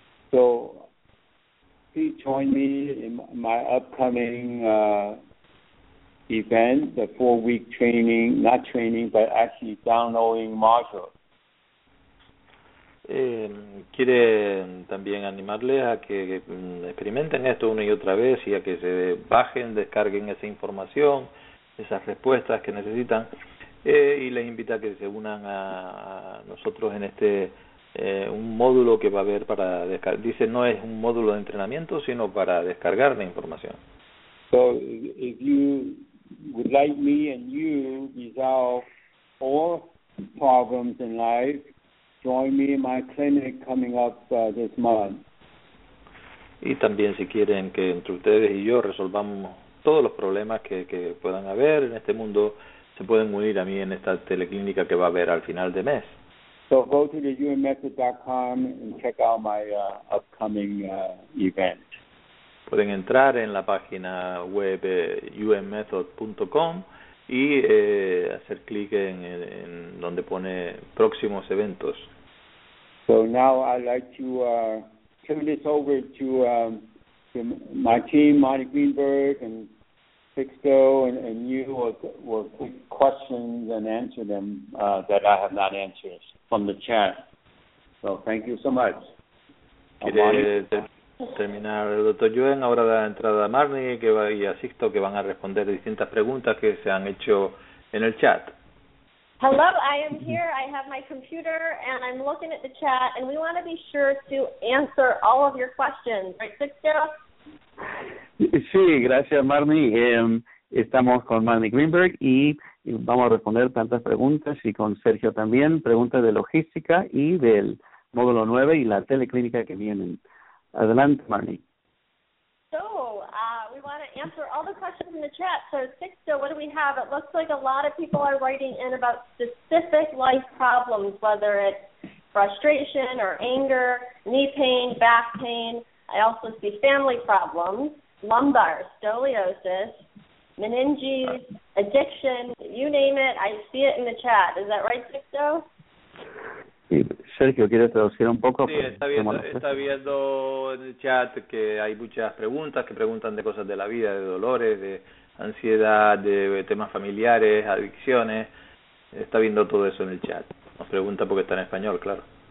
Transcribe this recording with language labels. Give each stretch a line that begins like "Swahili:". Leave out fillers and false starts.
English: So please join me in my upcoming event, the 4-week training, not training, but actually downloading module.
Spanish: ¿Quiere también animarles a que experimenten esto una y otra vez y a que se bajen, descarguen esa información, esas respuestas que necesitan? Y les invita a que se unan a nosotros en este... un módulo que va a haber para descargar. Dice, no es un módulo de entrenamiento, sino para descargar la información.
English: So, if you would like me and you resolve all problems in life, join me in my clinic coming up this month.
Spanish: Y también si quieren que entre ustedes y yo resolvamos todos los problemas que puedan haber en este mundo, se pueden unir a mí en esta teleclínica que va a haber al final de mes.
English: So go to the UNMethod.com and check out my upcoming event.
Spanish: Pueden entrar en la página web UNMethod.com y hacer clic en donde pone próximos eventos.
English: So now I'd like to turn this over to my team, Marty Greenberg and Sixto, and you will take questions and answer them that I have not answered from the chat. So thank you so much.
Spanish: Quiere terminar el Dr. Yuen, ahora da entrada a Marnie y a Sixto, que van a responder distintas preguntas que se han hecho en el chat.
English: Hello, I am here. I have my computer and I'm looking at the chat, and we want to be sure to answer all of your questions. Right, Sixto?
Spanish: Sí, gracias Marnie. Estamos con Marnie Greenberg y vamos a responder tantas preguntas y con Sergio también, preguntas de logística y del módulo 9 y la teleclínica que vienen. Adelante, Marnie.
English: So, we want to answer all the questions in the chat. So, Sixto, what do we have? It looks like a lot of people are writing in about specific life problems, whether it's frustration or anger, knee pain, back pain. I also see family problems, lumbar, scoliosis, meninges, addiction, you name it, I see it in the chat. Is that right, Sixto?
Spanish: Sí, Sergio, ¿quieres traducir un poco? Sí, está viendo en el chat que hay muchas preguntas que preguntan de cosas de la vida, de dolores, de ansiedad, de temas familiares, adicciones. Está viendo todo eso en el chat. Nos pregunta porque está en español, claro.